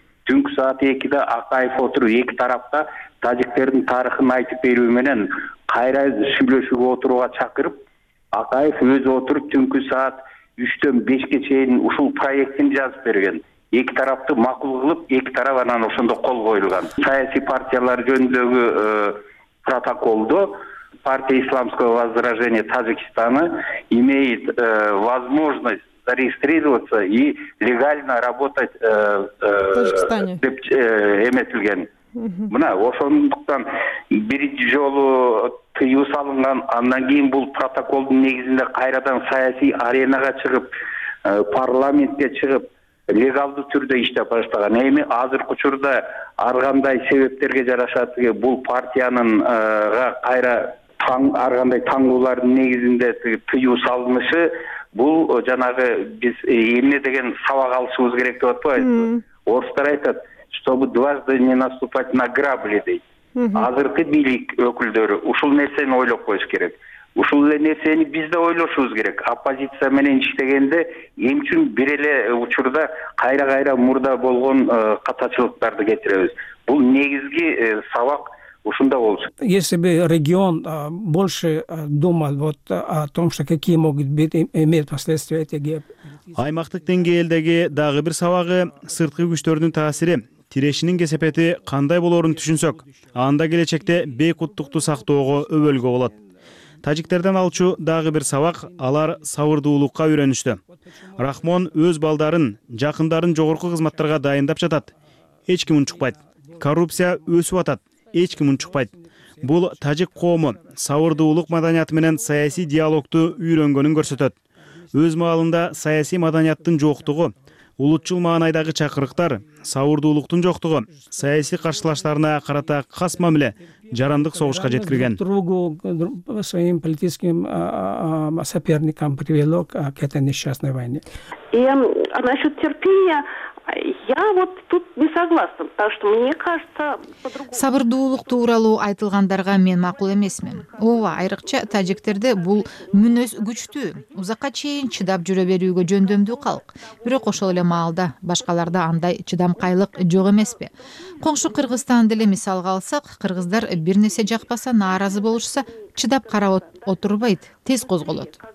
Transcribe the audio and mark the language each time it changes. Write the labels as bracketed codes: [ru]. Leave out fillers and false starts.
[ky] Түнкү саат 2:00 Акаев отуруп эки тарапка тажиктердин тарыхын айтып берүү менен кайра сүйлөшүүгө отурууга чакырып, Акаев өзү отуруп түнкү саат 3-5 чейин ушул проектин жазып берген. Эки тарапты макул кылып, эки тарап анан ошондо кол коюлган. Саясий партиялар жөнүндөгү протоколдо [ru] партия исламского возрождения Таджикистана имеет возможность зарегистрироваться и легально работать в Таджикистане [ky] деп эметилген. Мына ошондуктан бир жолу тыюу салынган, андан кийин бул протоколдун негизинде кайрадан саясий аренага чыгып, парламентке чыгып легалдуу түрдө иштеп баштаган. Эми азыркы учурда ар кандай себептерге жараша тиги бул партиянын кайра ар кандай таңдоолордун негизинде тыюу салынышы бул жанагы биз эмне деген сабак алышыбыз керек деп атпайбызбы? Орустар айтат, [ru] чтобы дважды не наступать на грабли [ky] дейт. Азыркы бийлик өкүлдөрү ушул нерсени ойлоп коюш керек. Ушул эле нерсени биз да ойлошубуз керек. Оппозиция менен иштегенде эмне үчүн бир эле учурда кайра кайра мурда болгон катачылыктарды кетиребиз? Бул негизги сабак ушунда болчу. [ru] Если бы регион больше думал вот о том, что какие могут быть иметь последствия эти геополитические. [ky] Аймактык деңгээлдеги дагы бир сабагы сырткы күчтөрдүн таасири. Тирешинин кесепети кандай болорун түшүнсөк, анда келечекте бейкуттукту сактоого өбөлгө болот. Тажиктерден алчу дагы бир сабак, алар сабырдуулукка үйрөнүштү. Рахмон өз балдарын, жакындарын жогорку кызматтарга дайындап жатат. Эч ким унчукпайт. Коррупция өсүп атат. Эч ким унчукпайт. Бул тажик коому сабырдуулук маданияты менен саясий диалогду үйрөнгөнүн көрсөтөт. Өз маалында саясий маданияттын жоктугу, улутчул маанайдагы чакырыктар, сабырдуулуктун жоктугу саясий каршылаштарына карата кас мамиле, жарандык согушка жеткирген. [ru] Своим политическим соперникам привело к этой несчастной войне. А насчет терпения я вот тут не согласна, потому что мне кажется, [ky] сабырдуулук тууралуу айтылгандарга мен макул эмесмин. Ооба, айрыкча тажиктерде бул мүнөз күчтүү. Узакка чейин чыдап жүрө берүүгө жөндөмдүү калк. Бирок ошол эле маалда башкаларда андай чыдамкайлык жок эмеспи? Коңшу Кыргызстан деле мисалга алсак, кыргыздар бир нерсе жакпаса, нааразы болушса, чыдап карап отурбайт, тез козголот.